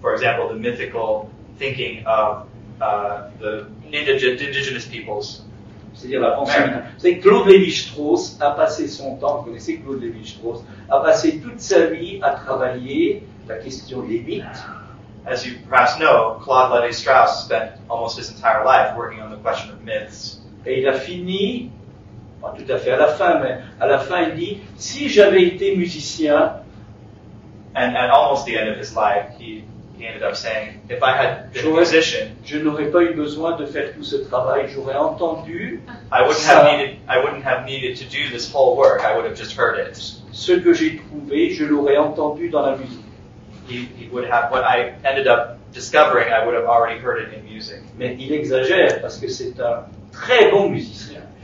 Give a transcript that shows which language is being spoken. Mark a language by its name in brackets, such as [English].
[English] for example, the mythical thinking of the indigenous peoples. [French] C'est-à-dire la pensée. Right. C'est Claude Lévi-Strauss a passé son temps, vous connaissez Claude Lévi-Strauss, a passé toute sa vie à travailler la question des mythes. [English] As you perhaps know, Claude Lévi-Strauss spent almost his entire life working on the question of myths. [French] Et il a fini, pas tout à fait à la fin, mais à la fin il dit, si j'avais été musicien, [English] and at almost the end of his life, he ended up saying, if I had been a musician, [French] je n'aurais pas eu besoin de faire tout ce travail, j'aurais entendu [English] I wouldn't have needed to do this whole work, I would have just heard it. [French] Ce que j'ai trouvé, je l'aurais entendu dans la musique. [English] He would have, what I ended up discovering, I would have already heard it in music. [French] Mais il exagère, parce que c'est un très bon musicien.